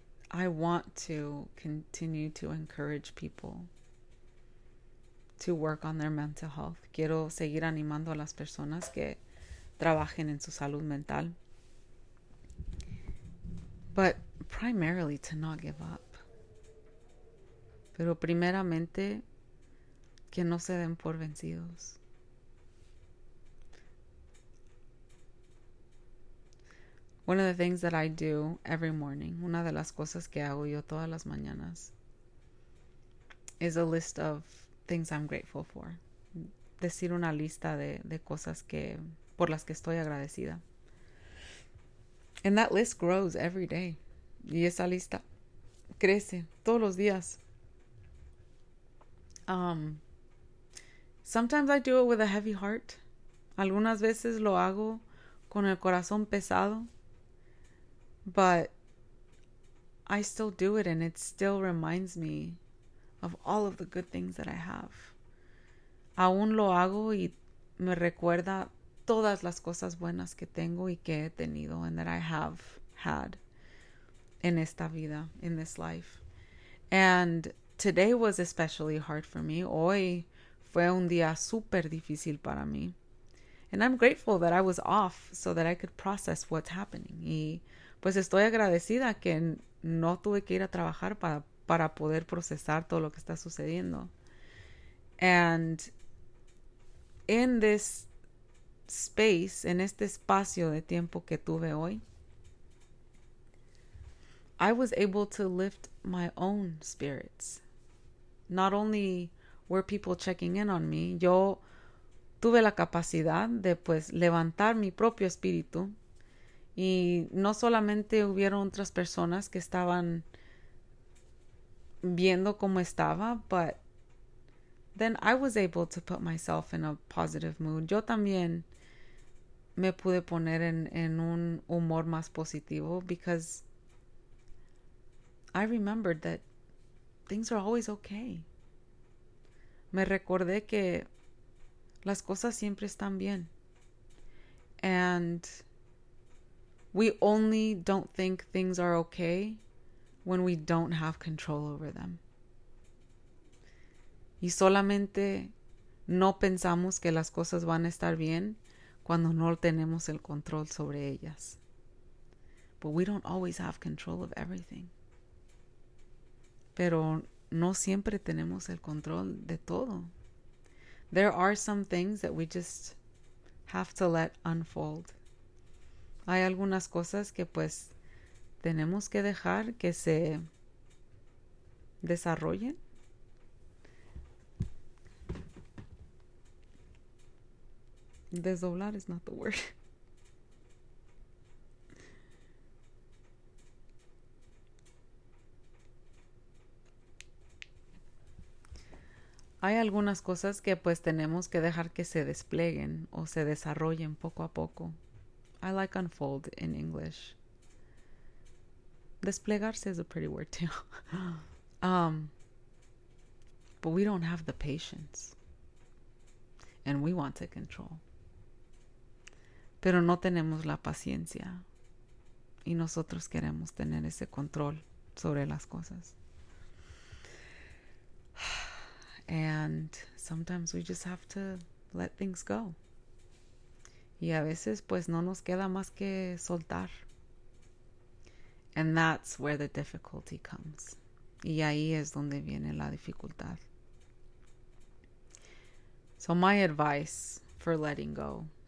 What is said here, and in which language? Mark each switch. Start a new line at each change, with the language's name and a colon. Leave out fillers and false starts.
English: I want to continue to encourage people to work on their mental health.
Spanish: Quiero seguir animando a las personas que trabajen en su salud mental.
English: But primarily to not give up.
Spanish: Pero primeramente que no se den por vencidos.
English: One of the things that I do every morning,
Spanish: una de las cosas que hago yo todas las mañanas,
English: is a list of things I'm grateful for.
Spanish: Decir una lista de cosas que por las que estoy agradecida.
English: And that list grows every day.
Spanish: Y esa lista crece todos los días.
English: Sometimes I do it with a heavy heart.
Spanish: Algunas veces lo hago con el corazón pesado.
English: But I still do it, and it still reminds me of all of the good things that I have.
Spanish: Aún lo hago y me recuerda todas las cosas buenas que tengo y que he tenido,
English: and that I have had
Spanish: en esta vida,
English: in this life. And today was especially hard for me.
Spanish: Hoy fue un día súper difícil para mí.
English: And I'm grateful that I was off so that I could process what's happening.
Spanish: Y pues estoy agradecida que no tuve que ir a trabajar para poder procesar todo lo que está sucediendo.
English: And in this space,
Spanish: en este espacio de tiempo que tuve hoy,
English: I was able to lift my own spirits. Not only were people checking in on me,
Spanish: yo tuve la capacidad de pues levantar mi propio espíritu. Y no solamente hubieron otras personas que estaban viendo cómo estaba,
English: but then I was able to put myself in a positive mood.
Spanish: Yo también me pude poner en un humor más positivo
English: because I remembered that things are always okay.
Spanish: Me recordé que las cosas siempre están bien.
English: And we only don't think things are okay when we don't have control over them.
Spanish: Y solamente no pensamos que las cosas van a estar bien cuando no tenemos el control sobre ellas.
English: But we don't always have control of everything.
Spanish: Pero no siempre tenemos el control de todo.
English: There are some things that we just have to let unfold.
Spanish: Hay algunas cosas que pues tenemos que dejar que se desarrollen.
English: Desdoblar is not the word.
Spanish: Hay algunas cosas que pues tenemos que dejar que se desplieguen o se desarrollen poco a poco.
English: I like unfold in English. Desplegarse is a pretty word too. But we don't have the patience. And we want to control.
Spanish: Pero no tenemos la paciencia. Y nosotros queremos tener ese control sobre las cosas.
English: And sometimes we just have to let things go.
Spanish: Y a veces, pues, no nos queda más que soltar.
English: And that's where the difficulty comes.
Spanish: Y ahí es donde viene la dificultad.
English: So my advice for letting go.